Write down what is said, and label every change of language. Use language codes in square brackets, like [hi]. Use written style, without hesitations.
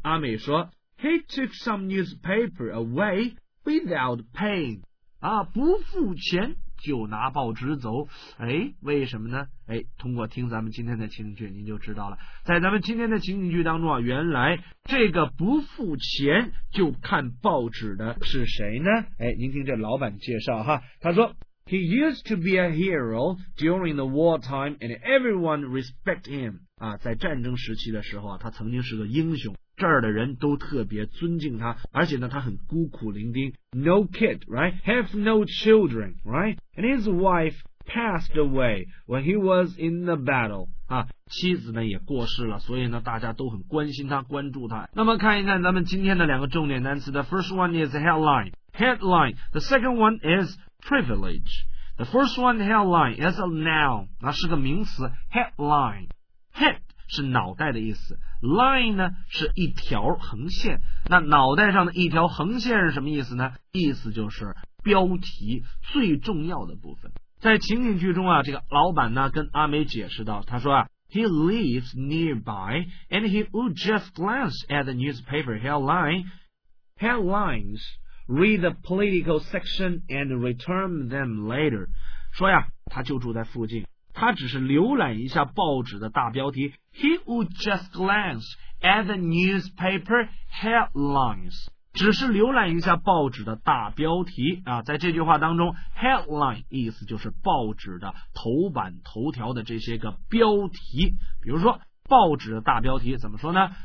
[zh] 阿美说 [en] He took some newspaper away without paying. [zh] 啊，不付钱就拿报纸走。哎，为什么呢？哎，通过听咱们今天的情景剧您就知道了。在咱们今天的情景剧当中啊，原来这个不付钱就看报纸的是谁呢？哎，您听这老板介绍哈，他说 [en] He used to be a hero during the wartime and everyone respect him. [zh] 啊，在战争时期的时候啊，他曾经是个英雄，这儿的人都特别尊敬他，而且呢他很孤苦伶仃。 [en] No kid, right? Have no children, right? And his wife passed away when he was in the battle. [zh] 啊，妻子呢也过世了，所以呢大家都很关心他，关注他。那么看一看咱们今天的两个重点单词。 [en] The first one is headline. Headline. The second one is privilege. The first one, headline, is a noun. [zh] 那是个名词， [en] headline. [zh] Head是脑袋的意思， line 呢是一条横线。那脑袋上的一条横线是什么意思呢？意思就是标题最重要的部分。在情景剧中啊，这个老板呢跟阿美解释到，他说啊 [en] He lives nearby and he would just glance at the newspaper headline headlines read the political section and return them later. [zh] 说呀，他就住在附近，他只是浏览一下报纸的大标题。 [en] He would just glance at the newspaper headlines. [zh] 只是浏览一下报纸的大标题啊，在这句话当中 headline 意思就是报纸的头版头条的这些个标题。比如说报纸的大标题怎么说呢？